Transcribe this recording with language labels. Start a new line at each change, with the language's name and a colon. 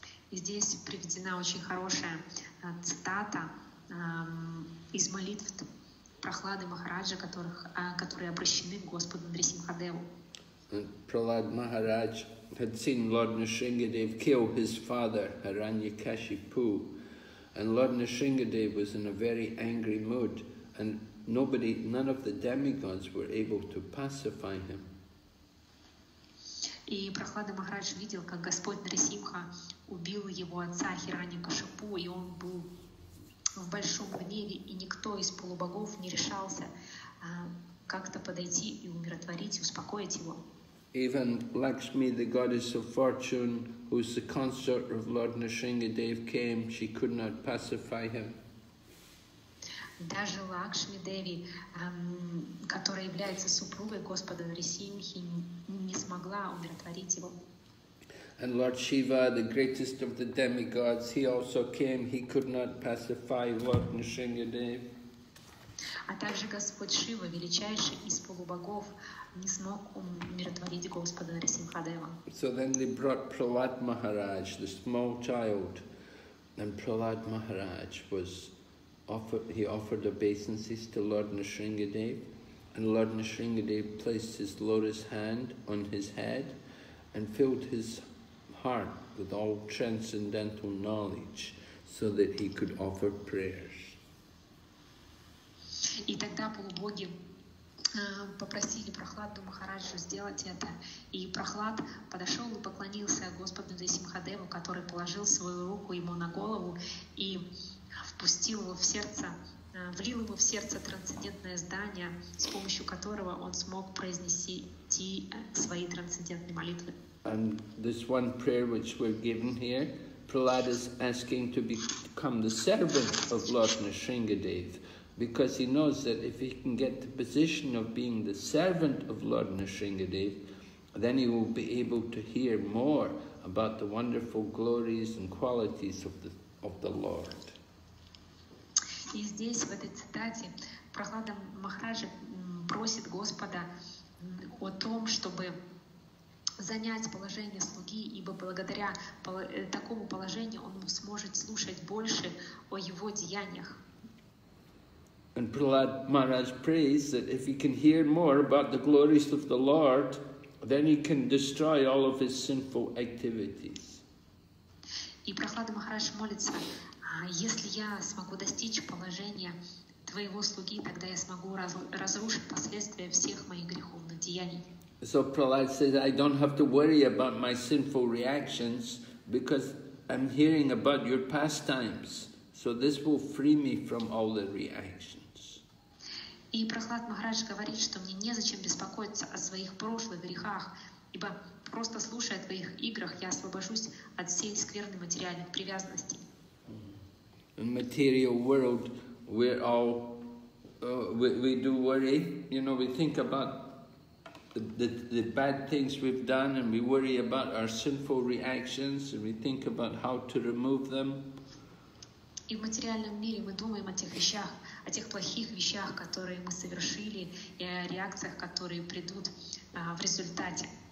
Russian: И здесь приведена очень хорошая цитата из молитв Прохлады Махараджа, которые обращены к Господу Нрисимхадеву.
English: Prahlad Maharaj had seen Lord Nrisimhadev kill his father, Aranyakashipu, and Lord Nrisimhadev was in a very angry mood and none of the demigods were able to pacify him.
Russian: И Прохлада Махарадж видел, как Господь Нрисимха убил его отца Хираньякашипу, и он был в большом гневе, и никто из полубогов не решался как-то подойти и умиротворить, успокоить его.
English: Even Lakshmi, the goddess of fortune, who is the consort of Lord Nrisimhadev, came, she could not pacify him.
Russian: Даже Лакшми Деви, которая является супругой Господа Нрисимхи, не смогла умиротворить его.
English: And Lord Shiva, the greatest of the demigods, he also came. He could not pacify Lord Nrisimhadev.
Russian: А также Господь Шива, величайший из полубогов, не смог умиротворить Господа Нарисимхадева.
English: So then they brought Prahlad Maharaj, the small child, and Prahlad Maharaj was offered. He offered obeisances to Lord Nrisimhadev, and Lord Nrisimhadev placed his lotus hand on his head, and filled his heart with all transcendental knowledge, so that he could offer prayers.
Russian: И тогда полубоги попросили Прахладу Махараджу сделать это. И Прахлад подошел и поклонился Господу Нарисимхадеву, который положил свою руку ему на голову и впустил его в сердце, влил ему в сердце трансцендентное знание, с помощью которого он смог произнести свои трансцендентные молитвы.
English: And this one prayer, which we're given here, Prahlad is asking to become the servant of Lord Nrisimhadev. Because he knows that if he can get the position of being the servant of Lord Nrisimhadev, then he will be able to hear more about the wonderful glories and qualities of the Lord.
Russian: И здесь, в этой цитате, Прахлада Махараджа просит Господа о том, чтобы занять положение слуги, ибо благодаря такому положению он сможет слушать больше о его деяниях.
English: And Prahlad Maharaj prays that if he can hear more about the glories of the Lord, then he can destroy all of his sinful activities.
Russian: И Прахлада Махарадж молится, если я смогу достичь положения твоего слуги, тогда я смогу разрушить последствия всех моих греховных деяний.
English: So Prahlad says, I don't have to worry about my sinful reactions because I'm hearing about your pastimes. So this will free me from all the reactions.
Russian: И Прахлад Махарадж говорит, что мне незачем беспокоиться о своих прошлых грехах, ибо просто слушая о твоих играх, я освобожусь от всей скверны материальных привязанностей.
English: In material world, we're all, we do worry, you know, we think about the bad things we've done, and we worry about our sinful reactions, and we think about how to remove them.
Russian: И в материальном мире мы думаем о тех вещах, о тех плохих вещах, которые мы совершили, и о реакциях, которые придут в результате.